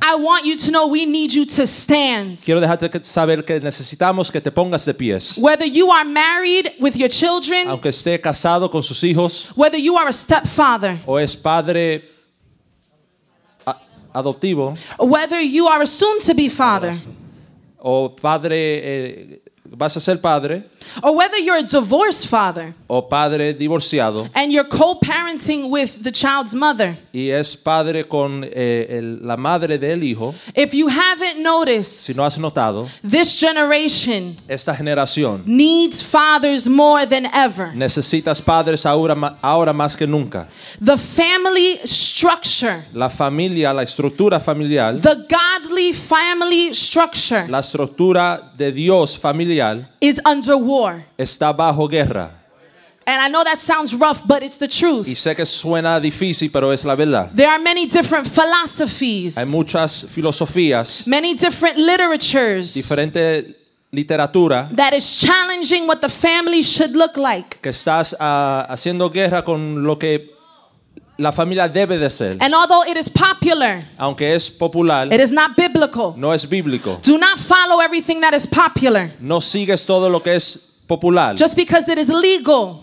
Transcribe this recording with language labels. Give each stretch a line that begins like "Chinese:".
English: I want you to know we need you to stand.
Spanish: Quiero dejarte saber que necesitamos que te pongas de pies.
English: Whether you are married with your children,
Spanish: aunque esté casado con sus hijos,
English: whether you are a stepfather. Father.
Spanish: O es padre adoptivo.
English: Whether you are a soon-to-be father.
Spanish: O padre vas a ser padre,
English: or whether you're a divorced father,
Spanish: o padre divorciado,
English: and you're co-parenting with the child's mother,
Spanish: y es padre con la madre del hijo,
English: if you haven't noticed,
Spanish: si no has notado,
English: this generation,
Spanish: esta generación,
English: needs fathers more than ever.
Spanish: Necesitas padres ahora, ahora más que nunca.
English: The family structure,
Spanish: la familia, la estructura familiar,
English: the godly family structure,
Spanish: la estructura de Dios familiar,
English: is under war.
Spanish: Está bajo guerra.
English: And I know that sounds rough, but it's the truth.
Spanish: Y sé que suena difícil, pero es la verdad.
English: There are many different philosophies.
Spanish: Hay muchas filosofías.
English: Many different literatures.
Spanish: Diferente literatura.
English: That is challenging what the family should look like.
Spanish: Que estás haciendo guerra con lo que la familia debe de ser.
English: And although it is popular,
Spanish: aunque es popular,
English: it is not biblical.
Spanish: No es bíblico.
English: Do not follow everything that is popular.
Spanish: No sigues todo lo que es popular.
English: Just because it is legal,